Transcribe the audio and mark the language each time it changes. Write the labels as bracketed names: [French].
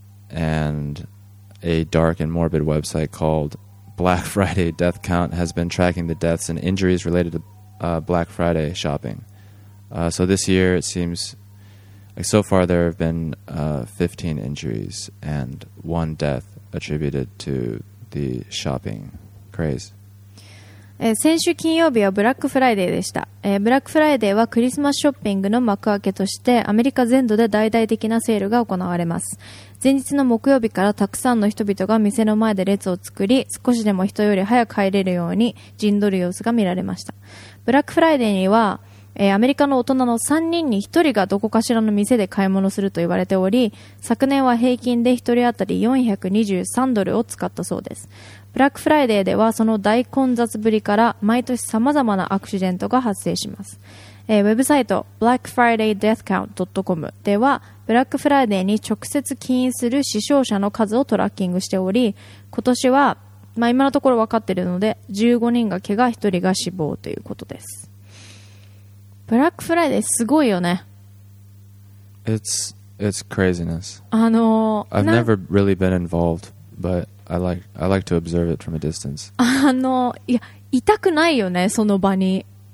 [English] And a dark and morbid website called Black Friday Death Count has been tracking the deaths and injuries related to Black Friday shopping. So this year, it seems, like, so far there have been 15 injuries and 1 death attributed to the shopping craze. [Japanese] 先週金曜日はブラックフライデーでした。ブラックフライデーはクリスマスショッピングの幕開けとしてアメリカ全土で大々的なセールが行われます。前日の木曜日からたくさんの人々が店の前で列を作り、少しでも人より早く入れるように陣取る様子が見られました。ブラックフライデーにはアメリカの大人の3人に1人がどこかしらの店で買い物すると言われており、昨年は平均で1人当たり423ドルを使ったそうです。ブラックフライデーではその大混雑ぶりから毎年様々なアクシデントが発生します。ウェブサイト blackfridaydeathcount.com ではブラックフライデーに直接起因する死傷者の数をトラッキングしており、今年は、まあ、今のところ分かっているので15人が怪我、1人が死亡ということです。ブラックフライデーすごいよね。 [English] It's craziness. I've never really been involved, but I like to observe it from a distance. [Japanese] いや、痛くないよね、その場に。